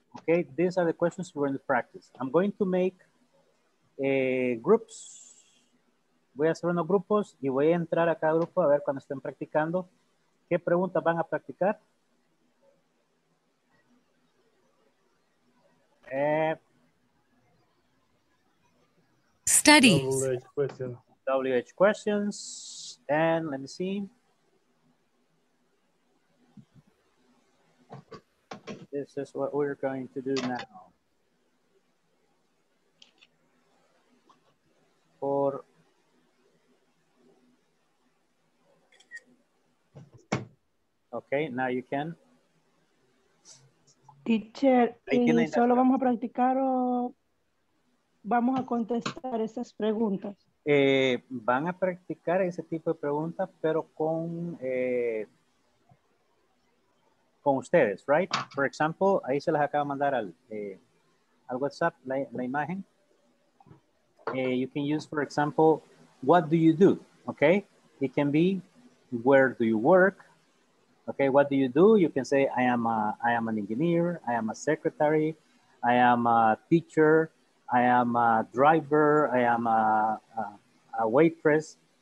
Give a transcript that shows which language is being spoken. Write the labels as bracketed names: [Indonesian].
[English] Okay, these are the questions we're in the practice. I'm going to make groups. [Spanish] Voy a hacer unos grupos y voy a entrar a cada grupo a ver cuando estén practicando. ¿Qué preguntas van a practicar? [English] Studies. WH questions. WH questions. And let me see. This is what we're going to do now. For okay, now you can. [Spanish] Teacher, solo vamos a practicar o vamos a contestar esas preguntas? Van a practicar ese tipo de preguntas, pero con ustedes, [English] right? For example, [Spanish] ahí se las acaba de mandar al WhatsApp la imagen. [English] You can use, for example, what do you do? Okay, it can be, where do you work? Okay, what do you do? You can say, I am an engineer, I am a secretary, I am a teacher, I am a driver, I am a waitress.